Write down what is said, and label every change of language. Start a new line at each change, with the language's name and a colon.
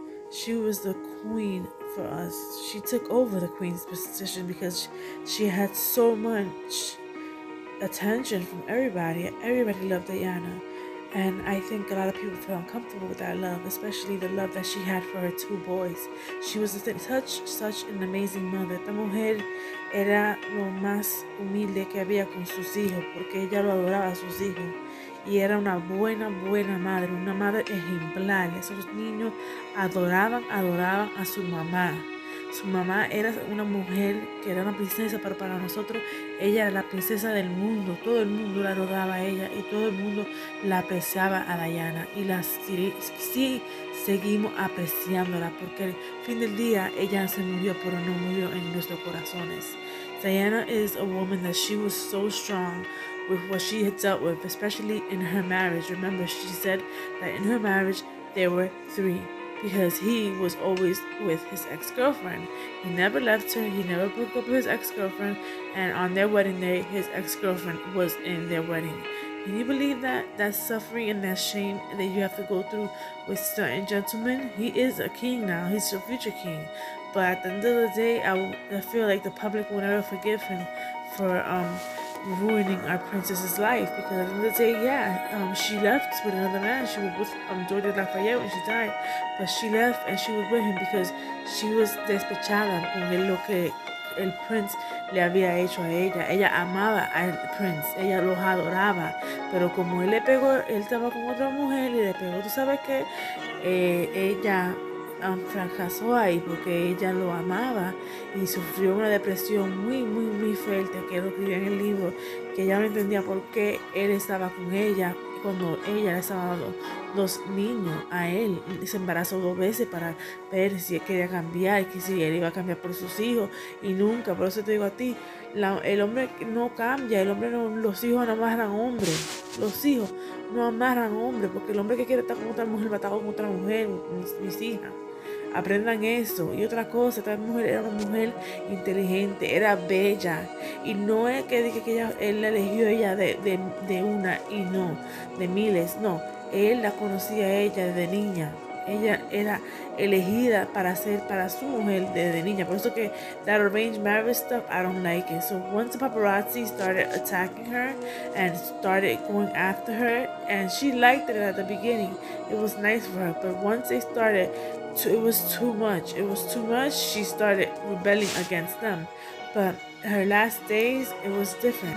English: She was the queen for us. She took over the queen's position because she had so much attention from everybody. Everybody loved Diana. And I think a lot of people feel uncomfortable with that love, especially the love that she had for her two boys. She was such an amazing mother.
Spanish: Esta mujer era lo más humilde que había con sus hijos, porque ella lo adoraba a sus hijos. Y era una buena, buena madre, una madre ejemplar. Esos niños adoraban a su mamá. Su mamá era una mujer que era una princesa, pero para nosotros ella era la princesa del mundo. Todo el mundo la adoraba a ella y todo el mundo la apreciaba a Diana. Y la sí seguimos apreciándola, porque al fin del día ella se murió, pero no murió en nuestros corazones.
English: Diana is a woman that she was so strong with what she had dealt with, especially in her marriage. Remember, she said that in her marriage there were three. Because he was always with his ex-girlfriend. He never left her. He never broke up with his ex-girlfriend. And on their wedding day, his ex-girlfriend was in their wedding. Can you believe that? That suffering and that shame that you have to go through with certain gentlemen? He is a king now. He's a future king. But at the end of the day, I feel like the public will never forgive him for ruining our princess's life. Because at the end of the day, she left with another man. She was with Jordi Lafayette when she died, but she left and she was with him because she was
Spanish: despechada con lo que el prince le había hecho a ella. Ella amaba al prince, ella los adoraba, pero como él le pegó, él estaba con otra mujer y le pegó, tú sabes que ella fracasó ahí porque ella lo amaba y sufrió una depresión muy, muy, muy fuerte, que lo escribió en el libro, que ella no entendía por qué él estaba con ella cuando ella le estaba dando dos niños a él. Se embarazó dos veces para ver si él quería cambiar, que si él iba a cambiar por sus hijos, y nunca. Por eso te digo a ti, el hombre no cambia, el hombre no, los hijos no amarran hombre, los hijos no amarran hombre, porque el hombre que quiere estar con otra mujer va a estar con otra mujer, mis hijas. Aprendan eso. Y otra cosa, esta mujer era una mujer inteligente, era bella. Y no es que dije que él la eligió ella de una y no, de miles. No, él la conocía a ella desde niña. Ella era elegida para ser para su mujer desde niña. Por eso que
English: that arranged marriage stuff, I don't like it. So once the paparazzi started attacking her and started going after her, and she liked it at the beginning. It was nice for her. But once they started, it was too much. It was too much. She started rebelling against them. But her last days, it was different.